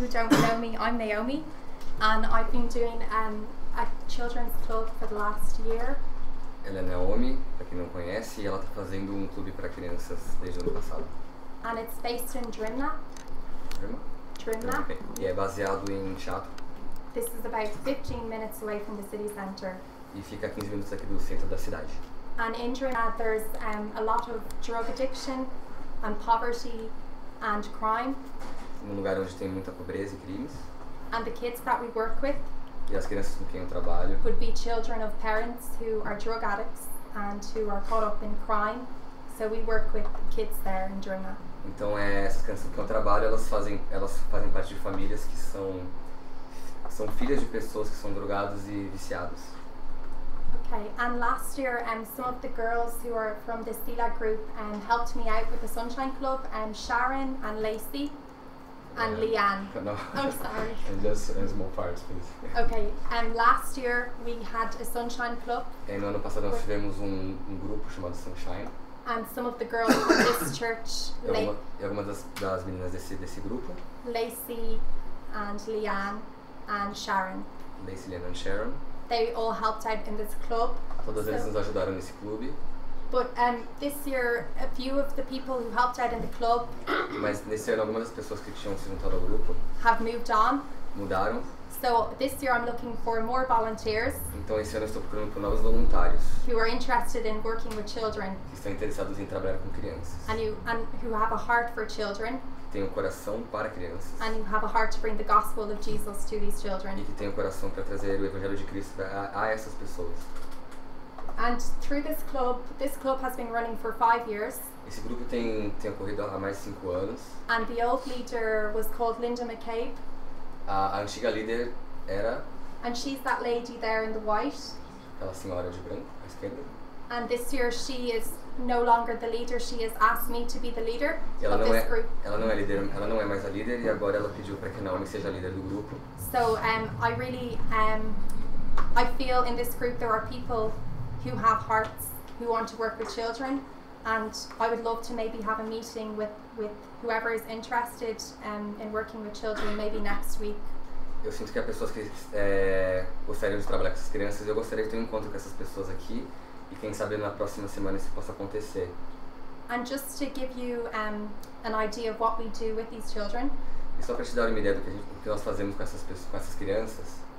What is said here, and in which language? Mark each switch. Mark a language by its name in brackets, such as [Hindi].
[English] Don't know me, I'm Naomi, and I've been doing a children's club for the last year. [Portuguese] Ela é Naomi, pra quem não conhece, e ela tá fazendo um clube para crianças desde o ano passado. [English] And it's based in Drimna. Drimna? Drimna. [Portuguese] E é baseado em Chato. [English] This is about 15 minutes away from the city center. [Portuguese] E fica a 15 minutos aqui do centro da cidade. [English] And in Drimna there's a lot of drug addiction and poverty and crime. [Portuguese] Um lugar onde tem muita pobreza e crimes. [English] And the kids that we work with, [Portuguese] e as crianças com quem eu trabalho, [English] would be children of parents who are drug addicts and who are caught up in crime. So we work with kids there in Drimna. [Portuguese] Então essas crianças com quem eu trabalho, elas fazem parte de famílias que são filhas de pessoas que são drogados e viciados. [English] Okay, and last year some of the girls who are from the Selah group helped me out with the Sunshine Club, Sharon and Lacey. And Leanne. No. Oh, sorry. And just small parts, please. Okay. And last year we had a Sunshine Club. [Portuguese] E no ano passado nós tivemos um grupo chamado Sunshine. [English] And some of the girls from this church. [Portuguese] E algumas das meninas desse grupo. [English] Lacey and Leanne and Sharon. Lacey, Leanne and Sharon. They all helped out in this club. [Portuguese] Todas elas nos ajudaram nesse clube. [English] But this year, a few of the people who helped out in the club have moved on. [Portuguese] Mudaram. [English] So this year I'm looking for more volunteers. [Portuguese] Então esse ano eu estou procurando por novos voluntários. [English] Who are interested in working with children. [Portuguese] Que estão interessados em trabalhar com crianças. [English] And who have a heart for children. [Portuguese] Tem um coração para crianças. [English] And who have a heart to bring the gospel of Jesus to these children. [Portuguese] E que tem um coração para trazer o evangelho de Cristo a essas pessoas. [English] And through this club has been running for 5 years. [Portuguese] Esse grupo tem ocorrido há mais de 5 anos. [English] And the old leader was called Linda McCabe. [Portuguese] A antiga líder era... [English] And she's that lady there in the white. [Portuguese] Aquela senhora de branco, à esquerda. [English] And this year she is no longer the leader, she has asked me to be the leader [Portuguese] Ela não é mais a líder e agora ela pediu para que Naomi seja a líder do grupo. [English] So I really, I feel in this group there are people who have hearts. who want to work with children. And I would love to maybe have a meeting with whoever is interested in working with children maybe next week. [Portuguese] Eu sinto que há pessoas que gostariam de trabalhar com essas crianças, eu gostaria de ter um encontro com essas pessoas aqui e quem sabe na próxima semana isso possa acontecer. [English] And just to give you an idea of what we do with these children. [Portuguese] E só para te dar uma ideia do que nós fazemos com essas pessoas, com essas crianças.